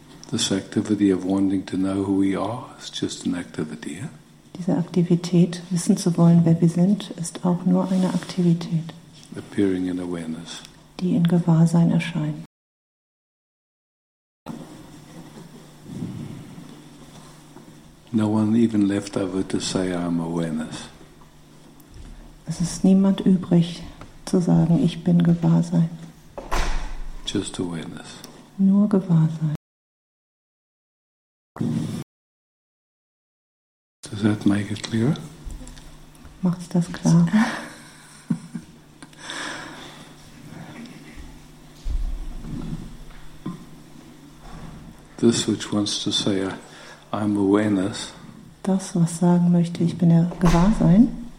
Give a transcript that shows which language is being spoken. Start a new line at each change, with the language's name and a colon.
English: This activity of wanting to know who we are is just an activity.
German: Diese Aktivität, wissen zu wollen, wer wir sind, ist auch nur eine Aktivität.
English: Appearing in awareness.
German: Die in Gewahrsein erscheint.
English: No one even left over to say I'm awareness.
German: Es ist niemand übrig, zu sagen, ich bin Gewahrsein.
English: Just awareness.
German: Nur Gewahrsein.
English: Does that make it clearer?
German: Macht's das klar?
English: This which wants to say I'm awareness.
German: Das, was sagen möchte, ich bin ja Gewahrsein.